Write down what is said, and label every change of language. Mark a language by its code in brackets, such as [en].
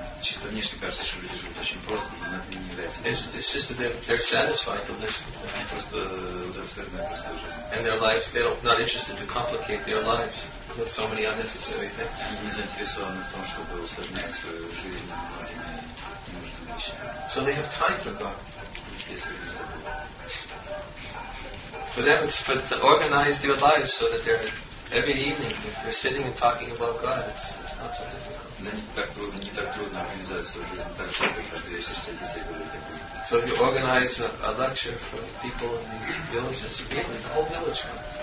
[ru] Чисто внешне кажется, что люди живут очень просто, но это не является. [en] It's just that they're satisfied to live. [ru] Они просто удовлетворены простой жизнью. [en] And their lives, they're not interested to complicate their lives with so many unnecessary things. [ru] Они не заинтересованы в том, чтобы усложнять свою жизнь многими ненужными вещами. [en] So they have time for God. [ru] Если люди забыли. [en] For them, it's for to organize their lives so that they're every evening, if they're sitting and talking about God, it's not so difficult. So if you organize a lecture for people in these villages, really the whole village comes.